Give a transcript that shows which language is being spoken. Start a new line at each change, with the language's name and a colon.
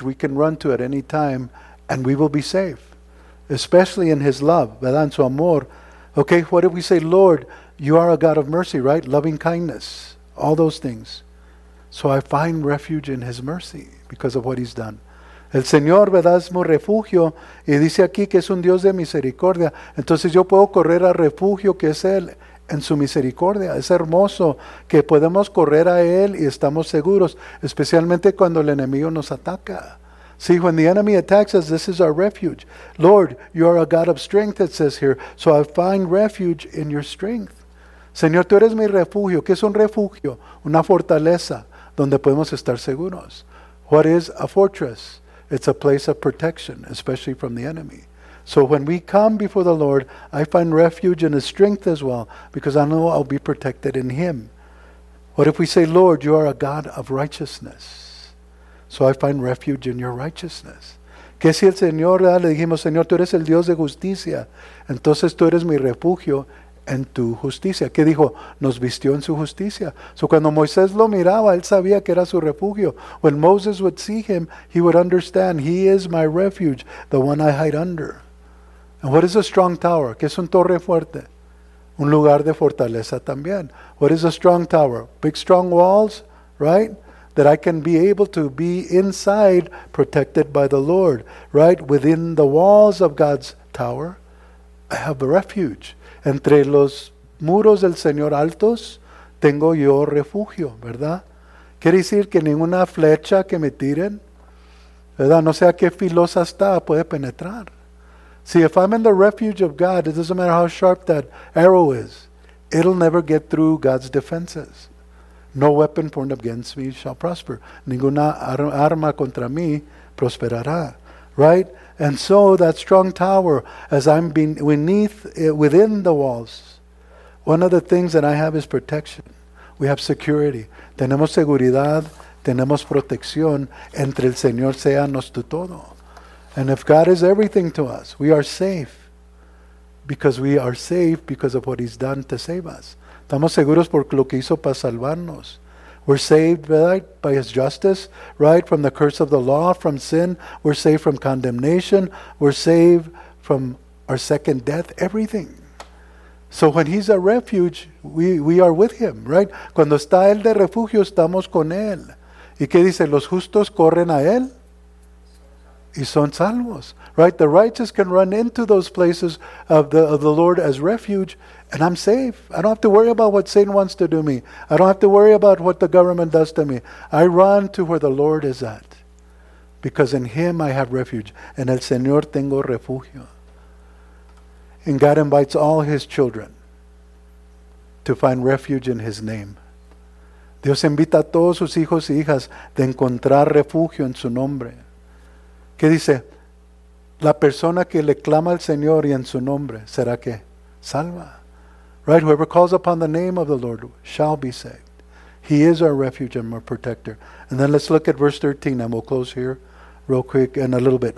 English: We can run to at any time and we will be safe. Especially in his love,
Spanish: ¿verdad? En su amor.
English: Okay, what if we say, Lord, you are a God of mercy, right? Loving kindness, all those things. So I find refuge in his mercy because of what he's done.
Spanish: El Señor, ¿verdad? Es mi refugio. Y dice aquí que es un Dios de misericordia. Entonces yo puedo correr al refugio que es él en su misericordia. Es hermoso que podemos correr a él y estamos seguros, especialmente cuando el enemigo nos ataca.
English: See, when the enemy attacks us, this is our refuge. Lord, you are a God of strength, it says here. So I find refuge in your strength.
Spanish: Señor, tú eres mi refugio. ¿Qué es un refugio? Una fortaleza donde podemos estar seguros.
English: What is a fortress? It's a place of protection, especially from the enemy. So when we come before the Lord, I find refuge in his strength as well, because I know I'll be protected in him. What if we say, Lord, you are a God of righteousness. So I find refuge in your righteousness.
Spanish: ¿Qué si el Señor, ¿verdad? Le dijimos, Señor, tú eres el Dios de justicia. Entonces tú eres mi refugio en tu justicia. ¿Qué dijo? Nos vistió en su justicia. So cuando Moisés lo miraba, él sabía que era su refugio.
English: When Moses would see him, he would understand, he is my refuge, the one I hide under. And what is a strong tower?
Spanish: ¿Qué es un torre fuerte? Un lugar de fortaleza también.
English: What is a strong tower? Big strong walls, right? That I can be able to be inside, protected by the Lord, right? Within the walls of God's tower, I have a refuge.
Spanish: Entre los muros del Señor altos, tengo yo refugio, ¿verdad? Quiere decir que ninguna flecha que me tiren, ¿verdad? No sea qué filosa está, puede penetrar.
English: See, if I'm in the refuge of God, it doesn't matter how sharp that arrow is, it'll never get through God's defenses. No weapon formed against me shall prosper.
Spanish: Ninguna arma contra mí prosperará.
English: Right? And so that strong tower, as I'm being beneath, within the walls, one of the things that I have is protection. We have security.
Spanish: Tenemos seguridad. Tenemos protección. Entre el Señor sea nuestro todo.
English: And if God is everything to us, we are safe. Because we are safe because of what he's done to save us.
Spanish: Estamos seguros por lo que hizo para salvarnos.
English: We're saved, right, by his justice, right, from the curse of the law, from sin. We're saved from condemnation. We're saved from our second death, everything. So when he's a refuge, we are with him, right?
Spanish: Cuando está él de refugio, estamos con él. ¿Y qué dice? Los justos corren a él y son salvos, right?
English: The righteous can run into those places of the Lord as refuge. And I'm safe. I don't have to worry about what Satan wants to do me. I don't have to worry about what the government does to me. I run to where the Lord is at. Because in him I have refuge.
Spanish: En el Señor tengo refugio.
English: And God invites all his children to find refuge in his name.
Spanish: Dios invita a todos sus hijos y hijas de encontrar refugio en su nombre. ¿Qué dice? La persona que le clama al Señor y en su nombre será que salva.
English: Right, whoever calls upon the name of the Lord shall be saved. He is our refuge and our protector. And then let's look at verse 13, and we'll close here real quick and a little bit.